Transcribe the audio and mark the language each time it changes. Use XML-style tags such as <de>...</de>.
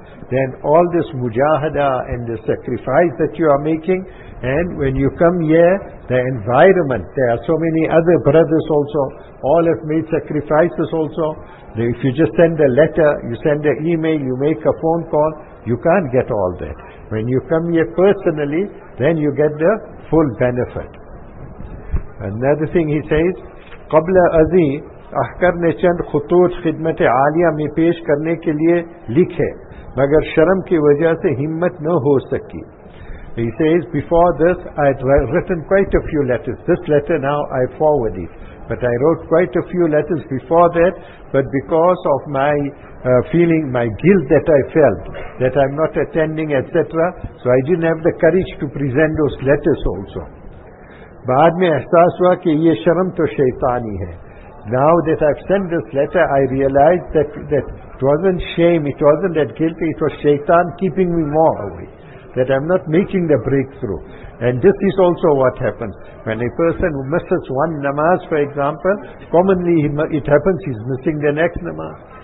<en>Then all this mujahada and the sacrifice that you are making, and when you come here, the environment, there are so many other brothers also, all have made sacrifices also. If you just send a letter, you send an email, you make a phone call, you can't get all that. When you come here personally, then you get the full benefit. Another thing he says,</en> <ur>قبل ازی احکر نے چند خطوط خدمت عالیہ میں پیش کرنے کے لیے لکھے مگر شرم کی وجہ سے ہمت نہ ہو سکی.</ur> <en>He says, before this I had written quite a few letters. This letter now I forwarded. But I wrote quite a few letters before that, but because of my feeling, my guilt that I felt, that I'm not attending, etc., so I didn't have the courage to present those letters also.</en> <ur>بعد میں احساس ہوا کہ یہ شرم تو شیطانی ہے.</ur> <en>Now that I've sent this letter, I realized that it wasn't shame, it wasn't that guilt, it was shaitan keeping me more away, that I'm not making the breakthrough. And this is also what happens. When a person misses one namaz, for example, commonly it happens he's missing the next namaz.</en>